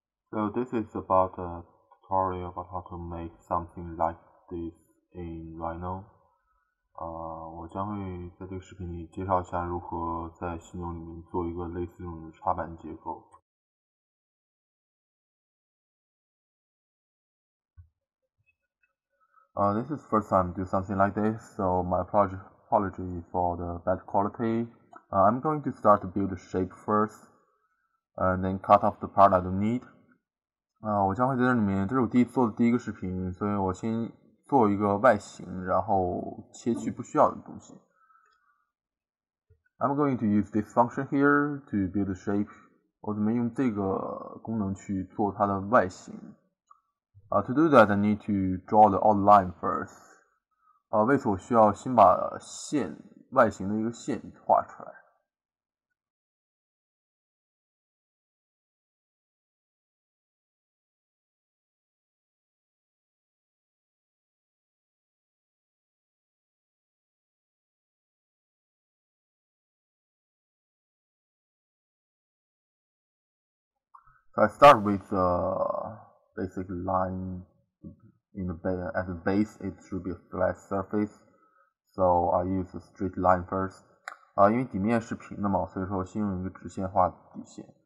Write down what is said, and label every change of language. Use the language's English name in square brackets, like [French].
[English] So this is about a tutorial about how to make something like this in Rhino. [Chinese] 我将会在这个视频里介绍一下如何在犀牛里面做一个类似这种的插板结构。 [English] This is first time do something like this, so my apology for the bad quality. I'm going to start to build a shape first, and then cut off the part I don't need. [Chinese] 我将会在这里面，这是我第一做的第一个视频，所以我先做一个外形，然后切去不需要的东西。 [English] I'm going to use this function here to build the shape. [Chinese] 我准备用这个功能去做它的外形。 [English] To do that, I need to draw the outline first. [Chinese] 为此我需要先把线，外形的一个线画出来。 [English] So I start with a basic line in the at the base. It should be a flat surface. So I use a straight line first. [Chinese] 因为底面是平的嘛，所以说先用一个直线画底线。